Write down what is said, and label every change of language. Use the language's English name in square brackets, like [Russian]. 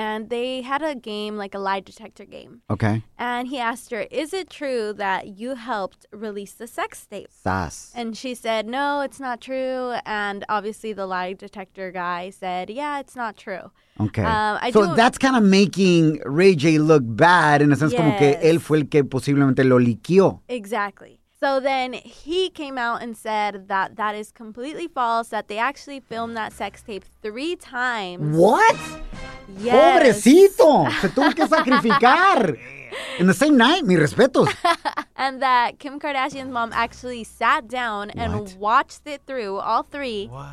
[English] and they had a game, like a lie detector game. Okay. And he asked her, is it true that you helped release the sex tape? Sass. And she said, no, it's not true. And obviously the lie detector guy said, yeah, it's not true. Okay. So that's kind of making Ray J look bad, in a sense, yes. [Spanish] como que él fue el que posiblemente lo liqueó. [English] Exactly. So then he came out and said that that is completely false, that they actually filmed that sex tape 3 times. What? Yes. [Spanish] Pobrecito. Se tuvo que sacrificar. [English] In the same night, [Spanish] mis respetos. [English] And that Kim Kardashian's mom actually sat down and watched it through, all three.